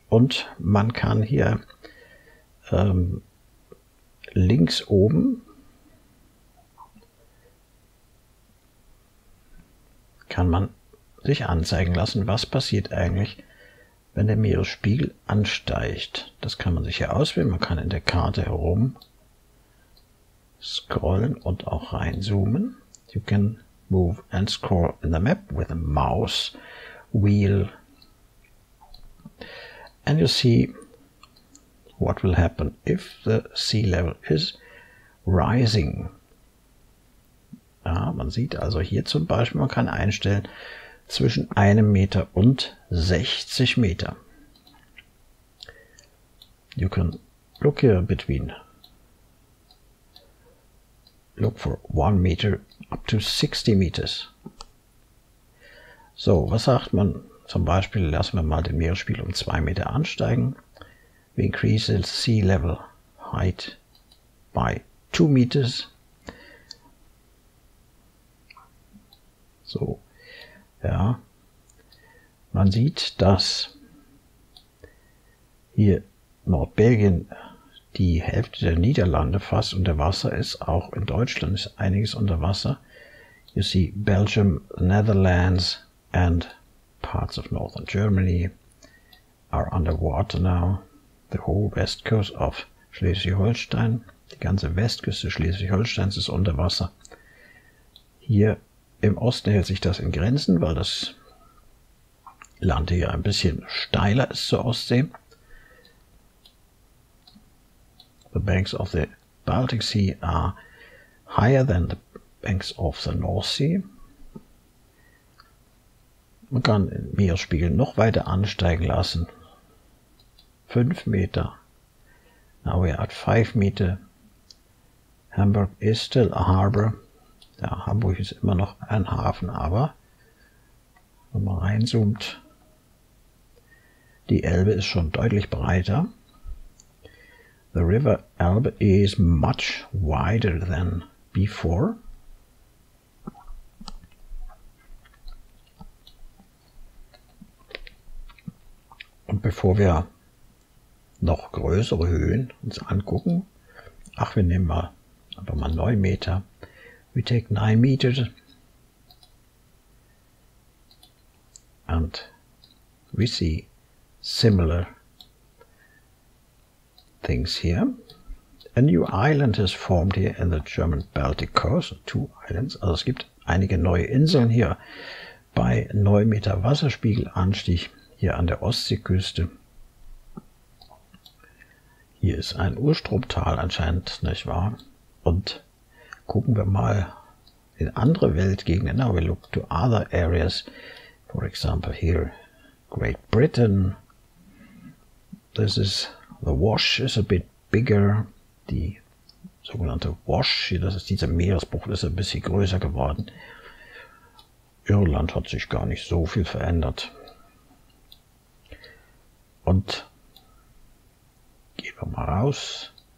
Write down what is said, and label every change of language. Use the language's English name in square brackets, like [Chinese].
[German] Und man kann hier links oben kann man sich anzeigen lassen, was passiert eigentlich, wenn der Meeresspiegel ansteigt. Das kann man sich hier auswählen. Man kann in der Karte herum scrollen und auch reinzoomen. [English] You can move and scroll in the map with a mouse wheel. And you see what will happen if the sea level is rising. [German] Ja, man sieht also hier zum Beispiel, man kann einstellen zwischen einem Meter und 60 Meter. [English] You can look here between. Look for 1 meter up to 60 meters. [German] So, was sagt man? Zum Beispiel lassen wir mal den Meeresspiegel um 2 Meter ansteigen. [English] We increase the sea level height by 2 meters. [German] So, ja, man sieht, dass hier Nordbelgien die Hälfte der Niederlande fast unter Wasser ist. Auch in Deutschland ist einiges unter Wasser. [English] You see Belgium, Netherlands and parts of northern Germany are underwater now. The whole west coast of Schleswig-Holstein, [German] die ganze Westküste Schleswig-Holsteins ist unter Wasser. Hier im Osten hält sich das in Grenzen, weil das Land hier ein bisschen steiler ist zur Ostsee. [English] The banks of the Baltic Sea are higher than the banks of the North Sea. [German] Man kann den Meeresspiegel noch weiter ansteigen lassen. 5 Meter. [English] Now we are at 5 Meter. Hamburg is still a harbor. [German] Ja, Hamburg ist immer noch ein Hafen, aber wenn man reinzoomt, die Elbe ist schon deutlich breiter. [English] The river Elbe is much wider than before. [German] Und bevor wir noch größere Höhen uns angucken, ach, wir nehmen mal einfach mal 9 Meter. [English] We take 9 meters and we see similar things here. A new island has formed here in the German Baltic coast. Two islands. [German] Also es gibt einige neue Inseln hier bei 9 Meter Wasserspiegelanstieg hier an der Ostseeküste. Hier ist ein Urstromtal anscheinend, nicht wahr? Und gucken wir mal in andere Weltgegenden. [English] Now we look to other areas. For example, here Great Britain. This is the Wash is a bit bigger. [German] Die sogenannte Wash, das ist dieser Meeresbruch, ist ein bisschen größer geworden. Irland hat sich gar nicht so viel verändert. Und gehen wir mal raus.